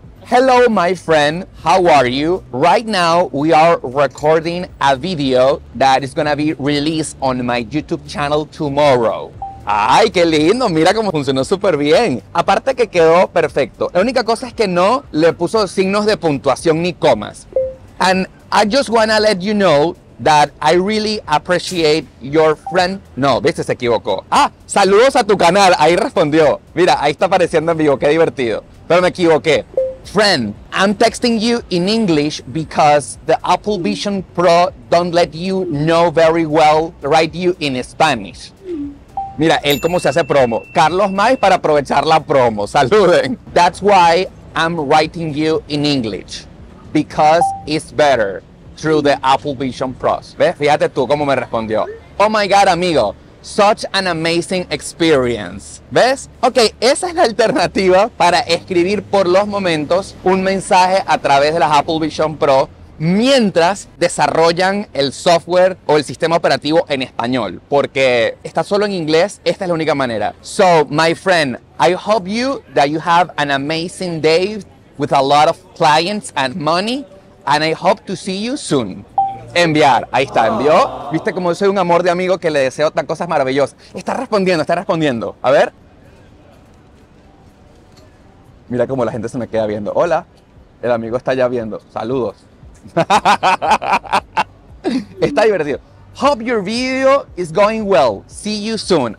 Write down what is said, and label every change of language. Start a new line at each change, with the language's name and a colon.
English: Hello, my friend. How are you? Right now, we are recording a video that is gonna be released on my YouTube channel tomorrow.
Spanish: ¡Ay, qué lindo! Mira cómo funcionó súper bien. Aparte que quedó perfecto. La única cosa es que no le puso signos de puntuación ni comas.
English: And I just wanna let you know that I really appreciate your friend.
Spanish: No, viste, se equivocó. ¡Ah! Saludos a tu canal. Ahí respondió. Mira, ahí está apareciendo en vivo. Qué divertido. Pero me equivoqué.
English: Friend, I'm texting you in English because the Apple Vision Pro don't let you know very well write you in Spanish.
Spanish: Mira, él cómo se hace promo. Carlos May para aprovechar la promo. Saluden.
English: That's why I'm writing you in English. Because it's better through the Apple Vision Pro.
Spanish: ¿Ves? Fíjate tú cómo me respondió.
English: Oh my God,
Spanish: amigo.
English: Such an amazing experience.
Spanish: ¿Ves? Ok, esa es la alternativa para escribir por los momentos un mensaje a través de las Apple Vision Pro mientras desarrollan el software o el sistema operativo en español. Porque está solo en inglés, esta es la única manera.
English: So, my friend, I hope you that you have an amazing day with a lot of clients and money, and I hope to see you soon.
Spanish: Enviar, ahí está, envió. Viste como soy un amor de amigo que le deseo tantas cosas maravillosas. Está respondiendo. A ver. Mira cómo la gente se me queda viendo. Hola, el amigo está ya viendo. Saludos. Está divertido.
English: Hope your video is going well. See you soon.